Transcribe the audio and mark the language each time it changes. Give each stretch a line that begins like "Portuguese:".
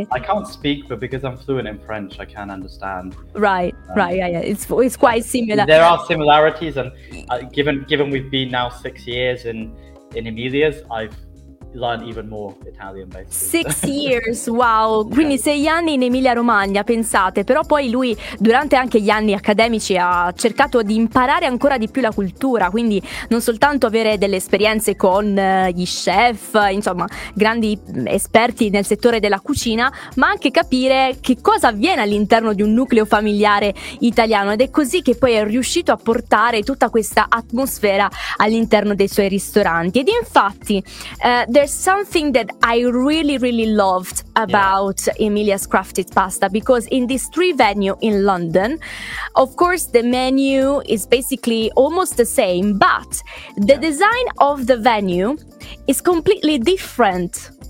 English: it. I can't speak, but because I'm fluent in French, I can understand. Right, right. Yeah, yeah. It's quite similar. There are similarities. And given we've been now 6 years in Emilia's, I've learn even more Italian, basically. 6 years, wow.
Italian: Quindi 6 anni in Emilia Romagna, pensate. Però poi lui, durante anche gli anni accademici, ha cercato di imparare ancora di più la cultura, quindi non soltanto avere delle esperienze con gli chef, insomma, grandi esperti nel settore della cucina, ma anche capire che cosa avviene all'interno di un nucleo familiare italiano. Ed è così che poi è riuscito a portare tutta questa atmosfera all'interno dei suoi ristoranti. Ed infatti,
English: there's something that I really, really loved about Emilia's crafted pasta, because in this three venue in London, of course, the menu is basically almost the same, but the design of the venue is completely different.